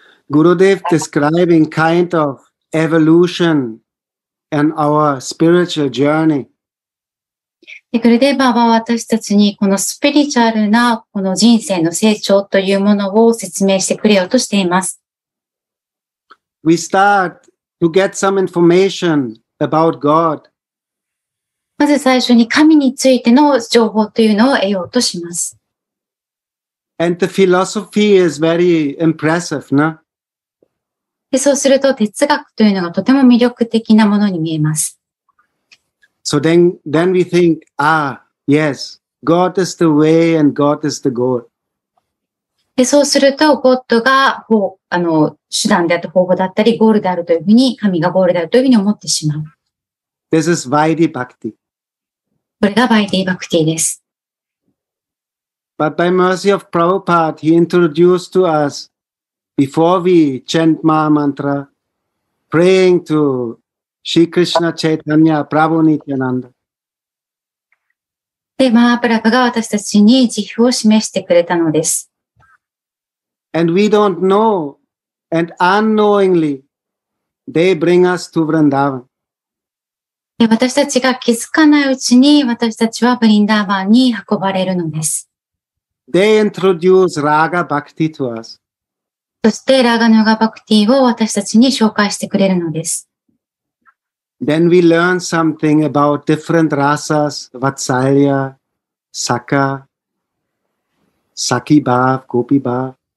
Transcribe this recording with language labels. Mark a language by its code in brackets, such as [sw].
[en] Gurudev describing kind of. Evolution and our spiritual journey. [ja] で、グルデーバーは私たちにこのスピリチュアルなこの人生の成長というものを説明してくれようとしています。 [en] We start to get some information about God. [ja] まず最初に神についての情報というのを得ようとします。 [en] And the philosophy is very impressive, no? [ja] で、そうすると哲学というのがとても魅力的なものに見えます。 [en] So then we think, ah, yes, God is the way and God is the goal. [ja] で、そうすると、God が手段であった方法だったり、ゴールであるというふうに、神がゴールであるというふうに思ってしまう。 [en] This is Vaidhi Bhakti. [ja] これが Vaidhi Bhakti です。 [en] But by mercy of Prabhupada, he introduced to us,Before we chant Maha Mantra, praying to Shri Krishna Chaitanya Prabhu Nityananda. [ja] で、マハプラブが私たちに慈悲を示してくれたのです。 [en] And we don't know, and unknowingly, they bring us to Vrindavan. [ja] で、私たちが気づかないうちに私たちはブリンダーバンに運ばれるのです。 [en] They introduce Raga Bhakti to us. [ja] そしてラガヌガバクティを私たちに紹介してくれるのです。 [en] Then we learn something about different rasas, Vatsalya, Sakha, Sakhi Bhav, Gopi Bhav.